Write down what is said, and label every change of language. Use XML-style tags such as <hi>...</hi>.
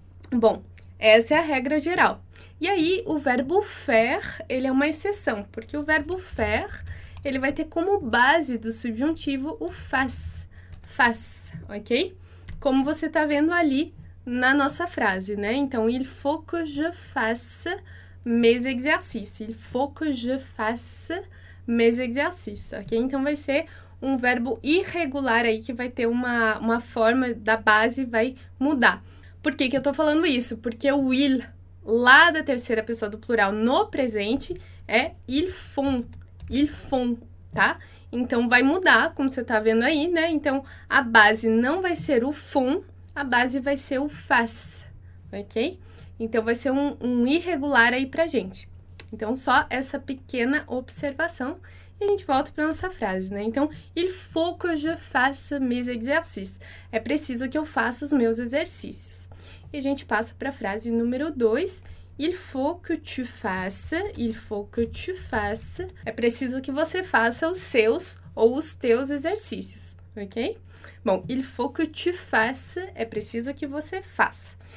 <pt>Bom, essa é a regra geral. E aí, o verbo faire, ele é uma exceção, porque o verbo faire, ele vai ter como base do subjuntivo o faz, faz, ok? Como você está vendo ali na nossa frase, né? Então,</pt> <fr>il faut que je fasse mes exercices. Il faut que je fasse mes exercices, ok?</fr> <pt>Então vai ser um verbo irregular aí que vai ter uma forma da base vai mudar. Por que que eu tô falando isso? Porque o il lá da terceira pessoa do plural no presente é</pt> <fr>il font,</fr> <pt>tá? Então vai mudar, como você tá vendo aí, né? Então a base não vai ser o font, a base vai ser o faz, ok? Então vai ser um irregular aí pra gente. Então, só essa pequena observação e a gente volta para nossa frase, né? Então,</pt> <fr>il faut que je fasse mes exercices.</fr> <pt>É preciso que eu faça os meus exercícios. E a gente passa para a frase número 2.</pt> <fr>Il faut que tu fasses, il faut que tu fasses.</fr> <pt>É preciso que você faça os seus ou os teus exercícios, ok? Bom,</pt> <fr>il faut que tu fasses,</fr> <pt>é preciso que você faça.</pt>